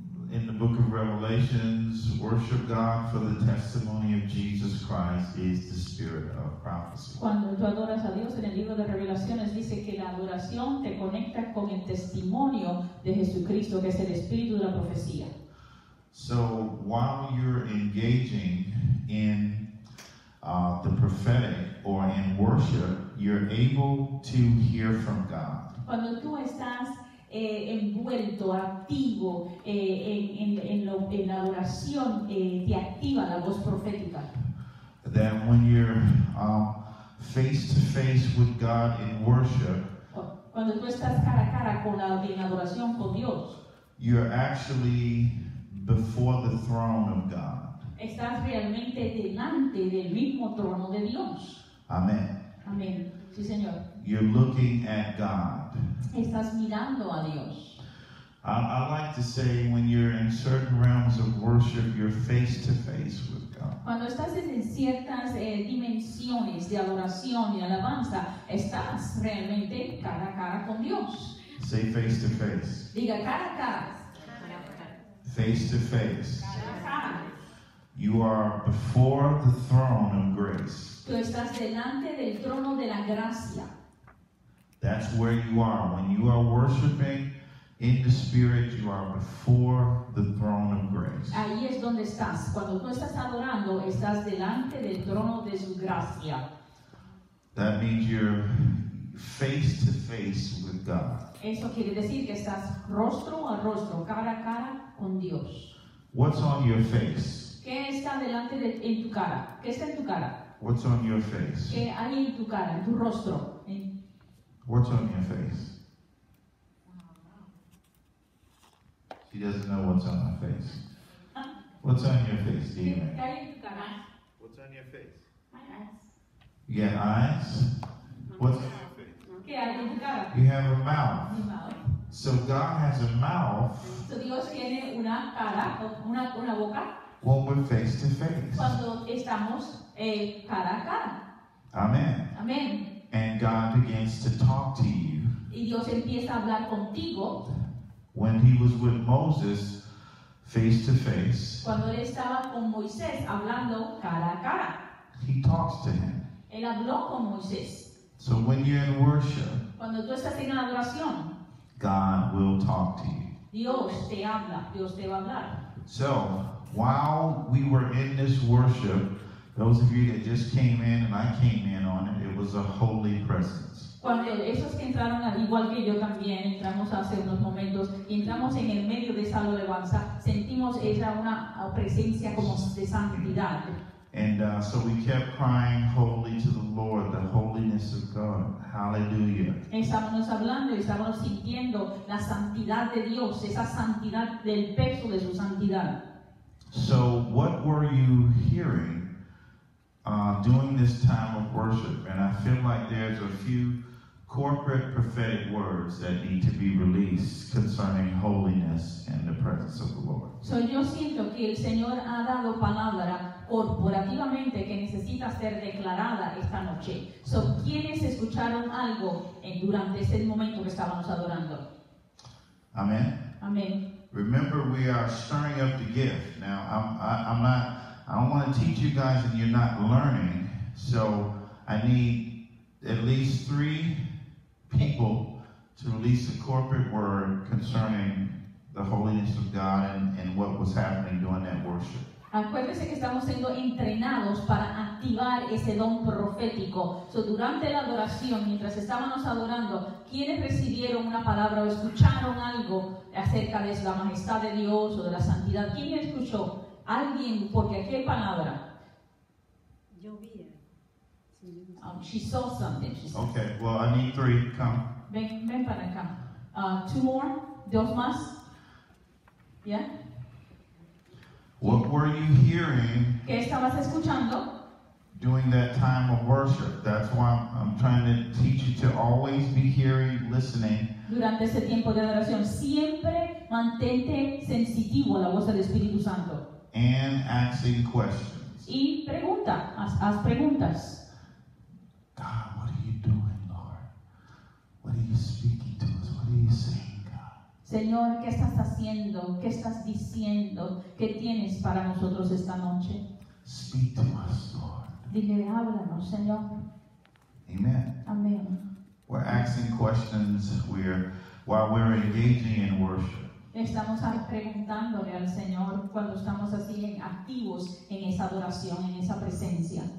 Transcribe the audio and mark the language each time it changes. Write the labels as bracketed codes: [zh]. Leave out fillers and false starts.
[en] In the book of Revelations, worship God for the testimony of Jesus Christ is the spirit of prophecy. [es] Cuando tú adoras a Dios, en el libro de Revelaciones dice que la adoración te conecta con el testimonio de Jesucristo, que es el espíritu de la profecía. [en] So while you're engaging in the prophetic or in worship, you're able to hear from God. [es] Cuando tú estás envuelto, activo en la adoración, te activa la voz profética. [en] That when you're face to face with God in worship, [es] cuando tú estás cara a cara con en adoración con Dios, [en] you're actually before the throne of God. [es] Estás realmente delante del mismo trono de Dios. Amén. Amén. Sí, Señor. [en] You're looking at God. [es] Estás mirando a Dios. [en] I like to say when you're in certain realms of worship, you're face to face with God. [es] Cuando estás en ciertas dimensiones de adoración y alabanza, estás realmente cara a cara con Dios. [en] Say face to face. [es] Diga cara a cara. [en] Face to face. [es] Cara a cara. [en] You are before the throne of grace. [es] Tú estás delante del trono de la gracia. [en] That's where you are. When you are worshiping in the Spirit, you are before the throne of grace. [es] Ahí es donde estás. Cuando tú estás adorando, estás delante del trono de su gracia. [en] That means you're face to face with God. [es] Eso quiere decir que estás rostro a rostro, cara a cara con Dios. [en] What's on your face? [es] ¿Qué está delante en tu cara? ¿Qué está en tu cara? [en] What's on your face? [es] ¿Qué hay en tu cara, en tu rostro? [en] What's on your face? She doesn't know what's on her face. What's on your face, Dina? What's on your face? My eyes. You got eyes? What's on your face? You have a mouth. So God has a mouth. [es] So Dios tiene una cara, una boca. [en] When we're face to face. [es] Cuando estamos cara a cara. [en] Amen. Amen. And God begins to talk to you. [es] Y Dios empieza a hablar contigo. [en] When he was with Moses, face to face. [es] Cuando él estaba con Moisés, hablando cara a cara. [en] He talks to him. [es] Él habló con Moisés. [en] So when you're in worship, [es] cuando tú estás en adoración, [en] God will talk to you. [es] Dios te habla, Dios te va a hablar. [en] So, while we were in this worship, those of you that just came in and I came in on it, it was a holy presence. [es] Cuando esos que entraron igual que yo también entramos hace unos momentos, entramos en el medio de esa alabanza, sentimos esa una presencia como de santidad. [en] And so we kept crying holy to the Lord, the holiness of God. Hallelujah. [es] Estábamos hablando y estábamos sintiendo la santidad de Dios, esa santidad del peso de su santidad. [en] So what were you hearing during this time of worship? And I feel like there's a few corporate prophetic words that need to be released concerning holiness and the presence. presence of the Lord. [es] So yo siento que el Señor ha dado palabra corporativamente que necesita ser declarada esta noche. So, ¿quiénes escucharon algo durante ese momento que estábamos adorando? Amen. Amen. [en] Remember, we are stirring up the gift. Now, I don't want to teach you guys and you're not learning. So, I need at least 3 people to release a corporate word concerning the holiness of God and what was happening during that worship. [es] Acuérdense que estamos siendo entrenados para activar ese don profético. So, durante la adoración, mientras estábamos adorando, ¿quiénes recibieron una palabra o escucharon algo acerca de la majestad de Dios o de la santidad? ¿Quién escuchó? ¿Alguien? Porque aquí hay palabra. Yo vi. [en] She saw something. She saw. Okay, well, I need 3. Come. [es] Ven para acá. [en] 2 more. [es] 2 más. [en] Yeah. What were you hearing? [es] ¿Qué estabas escuchando? [en] During that time of worship. That's why I'm trying to teach you to always be hearing, listening. [es] Durante ese tiempo de adoración, siempre mantente sensitivo a la voz del Espíritu Santo. [en] And asking questions. [es] Y pregunta, haz preguntas. [en] God, what are you doing, Lord? What are you speaking to us? What are you saying? [es] Señor, ¿qué estás haciendo? ¿Qué estás diciendo? ¿Qué tienes para nosotros esta noche? [en] Speak to us, Lord. [es] Dile, háblanos, Señor. Amen. Amen. [en] We're asking questions while we're engaging in worship. [es] Estamos preguntándole al Señor cuando estamos así activos en esa adoración, en esa presencia.